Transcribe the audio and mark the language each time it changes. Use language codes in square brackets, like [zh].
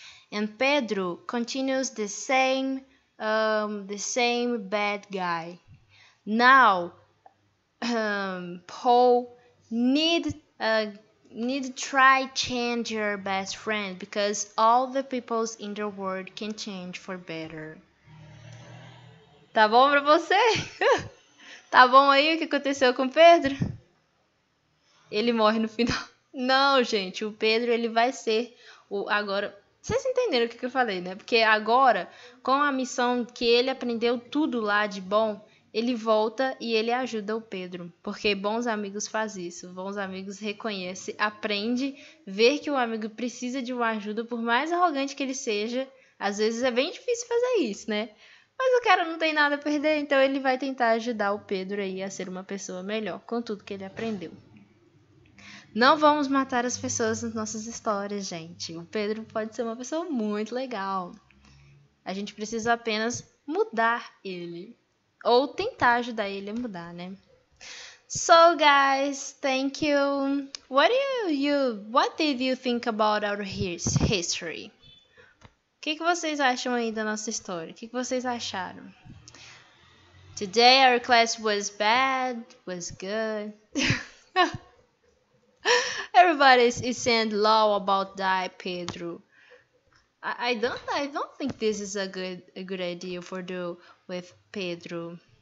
[en] And Pedro continues the same bad guy. Now, Paul need try change your best friend because all the peoples in the world can change for better. [pt] Tá bom pra você? Tá bom aí o que aconteceu com o Pedro? Ele morre no final. Não, gente, o Pedro ele vai ser o agora. Vocês entenderam o que eu falei, né? Porque agora, com a missão que ele aprendeu tudo lá de bom, ele volta e ele ajuda o Pedro. Porque bons amigos faz isso. Bons amigos reconhece, aprende, vê que o amigo precisa de uma ajuda, por mais arrogante que ele seja. Às vezes é bem difícil fazer isso, né? Mas o cara não tem nada a perder, então ele vai tentar ajudar o Pedro aí a ser uma pessoa melhor, com tudo que ele aprendeu. Não vamos matar as pessoas nas nossas histórias, gente. O Pedro pode ser uma pessoa muito legal. A gente precisa apenas mudar ele. Ou tentar ajudar ele a mudar, né? [en] So, guys, thank you. What did you think about our history? [pt] O que que vocês acham aí da nossa história? O que que vocês acharam? [en] Today our class was bad, was good. Everybody is saying low about die, Pedro. I don't think this is a good idea for do with Pedro.